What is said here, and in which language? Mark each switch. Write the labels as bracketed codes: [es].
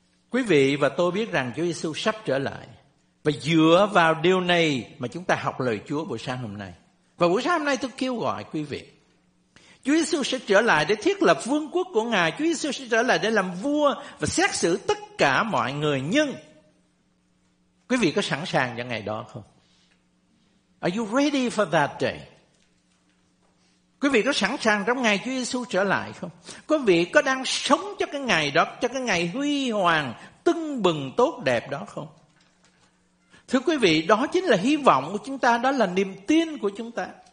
[vi] Quý vị và tôi biết rằng Chúa Giêsu sắp trở lại, và dựa vào điều này mà chúng ta học lời Chúa buổi sáng hôm nay. Và buổi sáng hôm nay tôi kêu gọi quý vị, Chúa Giêsu sẽ trở lại để thiết lập vương quốc của Ngài, Chúa Giêsu sẽ trở lại để làm vua và xét xử tất cả mọi người. Nhưng quý vị có sẵn sàng cho ngày đó không? [en] Are you ready for that day? [vi] Quý vị có sẵn sàng trong ngày Chúa Giêsu trở lại không? Quý vị có đang sống cho cái ngày đó, cho cái ngày huy hoàng, tưng bừng, tốt đẹp đó không? Thưa quý vị, đó chính là hy vọng của chúng ta, đó là niềm tin của chúng ta.